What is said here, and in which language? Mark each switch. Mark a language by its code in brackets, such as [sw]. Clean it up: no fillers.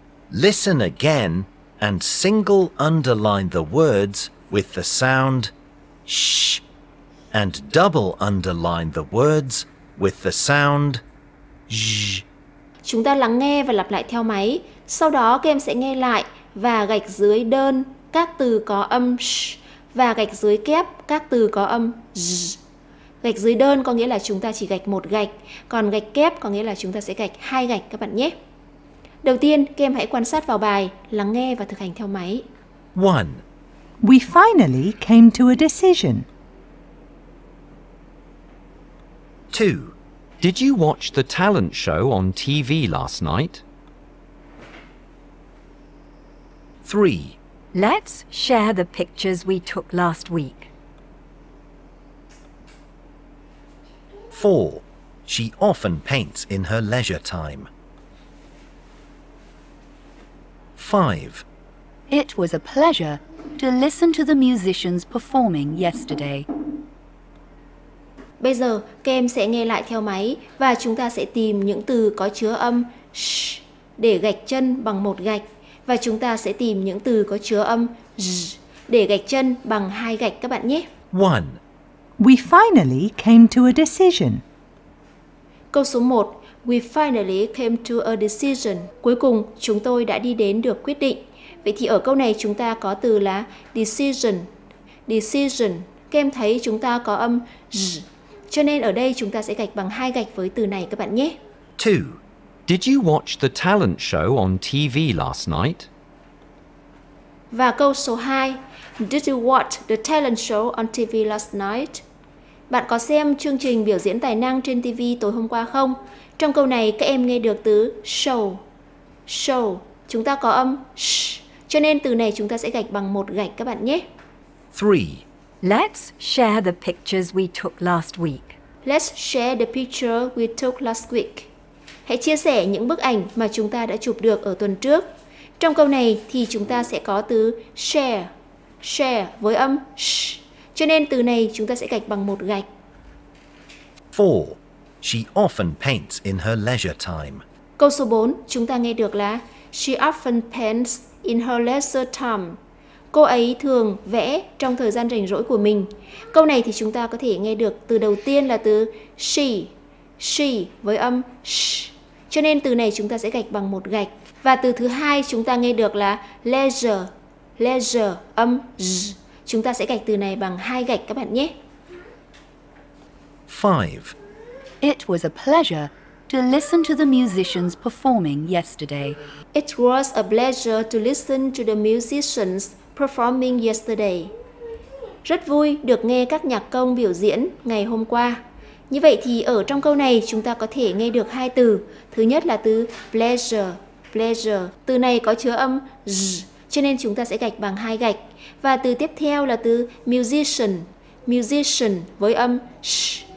[en] Listen again and single underline the words with the sound sh and double underline the words with the sound j. [vi] Chúng ta lắng nghe và lặp lại theo máy. Sau đó các em sẽ nghe lại và gạch dưới đơn K các từ có âm sh và gạch dưới kép các từ có âm z. Gạch dưới đơn có nghĩa là chúng ta chỉ gạch một gạch, còn gạch kép có nghĩa là chúng ta sẽ gạch hai gạch các bạn nhé. Đầu tiên, các em hãy quan sát vào bài, lắng nghe và thực hành theo máy. [en] 1. We finally came to a decision. 2. Did you watch the talent show on TV last night? 3. Let's share the pictures we took last week. 4. She often paints in her leisure time. 5. It was a pleasure to listen to the musicians performing yesterday. [vi] Bây giờ, các em sẽ nghe lại theo máy và chúng ta sẽ tìm những từ có chứa âm sh để gạch chân bằng một gạch và chúng ta sẽ tìm những từ có chứa âm z để gạch chân bằng hai gạch các bạn nhé. [en] 1. We finally came to a decision. [vi] Câu số 1. [en] We finally came to a decision. [vi] Cuối cùng, chúng tôi đã đi đến được quyết định. Vậy thì ở câu này chúng ta có từ là decision. Decision. Các em thấy chúng ta có âm z. Cho nên ở đây chúng ta sẽ gạch bằng hai gạch với từ này các bạn nhé. [en] 2. Did you watch the talent show on TV last night? [vi] Và câu số 2. [en] Did you watch the talent show on TV last night? [vi] Bạn có xem chương trình biểu diễn tài năng trên TV tối hôm qua không? Trong câu này các em nghe được từ show. Show. Chúng ta có âm sh. Cho nên từ này chúng ta sẽ gạch bằng một gạch các bạn nhé. [en] 3. Let's share the pictures we took last week. Let's share the picture we took last week. [vi] Hãy chia sẻ những bức ảnh mà chúng ta đã chụp được ở tuần trước. Trong câu này thì chúng ta sẽ có từ share. Share với âm sh. Cho nên từ này chúng ta sẽ gạch bằng một gạch. [en] 4. She often paints in her leisure time. [vi] Câu số 4 chúng ta nghe được là [en] she often paints in her leisure time. [vi] Cô ấy thường vẽ trong thời gian rảnh rỗi của mình. Câu này thì chúng ta có thể nghe được từ đầu tiên là từ she. She với âm sh. Cho nên từ này chúng ta sẽ gạch bằng một gạch. Và từ thứ hai chúng ta nghe được là leisure. Leisure âm z. Chúng ta sẽ gạch từ này bằng hai gạch các bạn nhé. [en] 5. It was a pleasure to listen to the musicians performing yesterday. It was a pleasure to listen to the musicians performing yesterday. [vi] Rất vui được nghe các nhạc công biểu diễn ngày hôm qua. Như vậy thì ở trong câu này chúng ta có thể nghe được hai từ. Thứ nhất là từ pleasure. Pleasure. Từ này có chứa âm z, cho nên chúng ta sẽ gạch bằng hai gạch. Và từ tiếp theo là từ musician. Musician với âm sh.